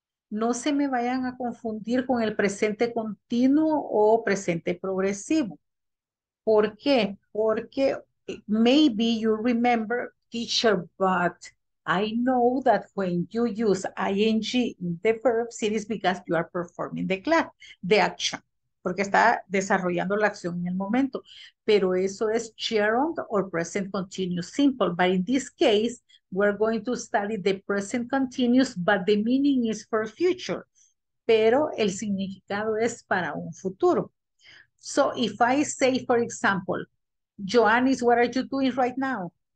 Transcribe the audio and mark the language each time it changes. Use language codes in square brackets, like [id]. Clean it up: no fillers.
[es] No se me vayan a confundir con el presente continuo o presente progresivo. ¿Por qué? [en] Porque maybe you remember, teacher, but I know that when you use ing in the verbs, it is because you are performing the class, the action. [es] Porque está desarrollando la acción en el momento. Pero eso es [en] gerund or present continuous simple. But in this case, we're going to study the present continuous, but the meaning is for future. [es] Pero el significado es para un futuro. [en] So if I say, for example, Joannis, what are you doing right now?